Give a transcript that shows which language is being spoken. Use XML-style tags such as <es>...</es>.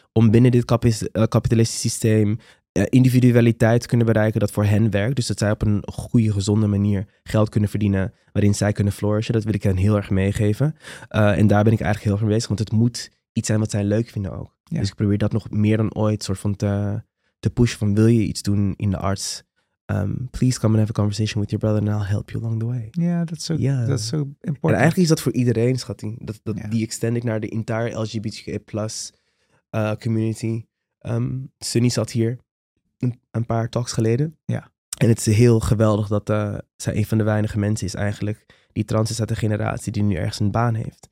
<nl>Om binnen dit kapitalistische systeem individualiteit te kunnen bereiken dat voor hen werkt. Dus dat zij op een goede, gezonde manier geld kunnen verdienen waarin zij kunnen flourishen. Dat wil ik hen heel erg meegeven. En daar ben ik eigenlijk heel erg mee bezig. Want het moet iets zijn wat zij leuk vinden ook. Ja. Dus ik probeer dat nog meer dan ooit soort van te pushen van wil je iets doen in de arts?</nl> <en>Please come and have a conversation with your brother and I'll help you along the way.</en> <nl>Ja, dat is zo</nl> <en>important.</en> <nl>En eigenlijk is dat voor iedereen, schatting. Die extend ik naar de</nl> <en>entire</en> <nl>LGBTQ+ community. Sunny zat hier. Een paar talks geleden. Ja. En het is heel geweldig dat zij een van de weinige mensen is eigenlijk. Die trans is uit de generatie die nu ergens een baan heeft.</nl>